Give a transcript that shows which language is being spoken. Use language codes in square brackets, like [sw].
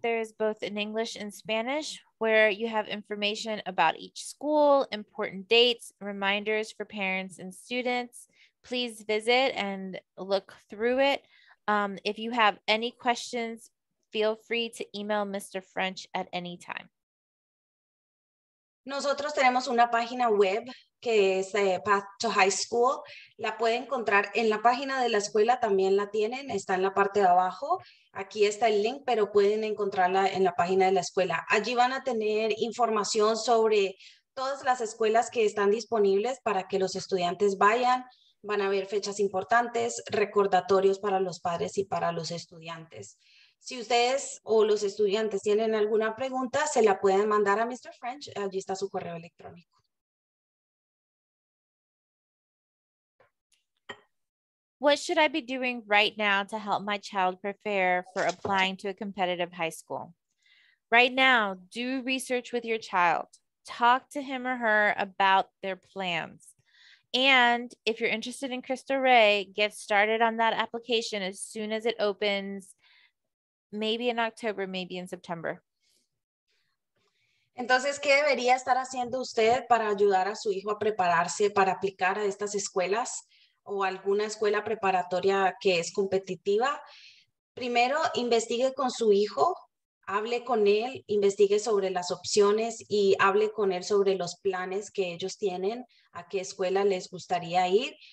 [en] There is both in English and Spanish where you have information about each school, important dates, reminders for parents and students. Please visit and look through it. If you have any questions, feel free to email Mr. French at any time. [es] Nosotros tenemos una página web que es Path to High School. La pueden encontrar en la página de la escuela, también la tienen, está en la parte de abajo. Aquí está el link, pero pueden encontrarla en la página de la escuela. Allí van a tener información sobre todas las escuelas que están disponibles para que los estudiantes vayan. Van a ver fechas importantes, recordatorios para los padres y para los estudiantes. Si ustedes o los estudiantes tienen alguna pregunta, se la pueden mandar a Mr. French. Allí está su correo electrónico. [en] What should I be doing right now to help my child prepare for applying to a competitive high school? Right now, do research with your child. Talk to him or her about their plans. And if you're interested in Christo Rey, get started on that application as soon as it opens. Maybe in October, maybe in September. [es] Entonces, ¿qué debería estar haciendo usted para ayudar a su hijo a prepararse para aplicar a estas escuelas o alguna escuela preparatoria que es competitiva? Primero, investigue con su hijo, hable con él, investigue sobre las opciones y hable con él sobre los planes que ellos tienen, a qué escuela les gustaría ir.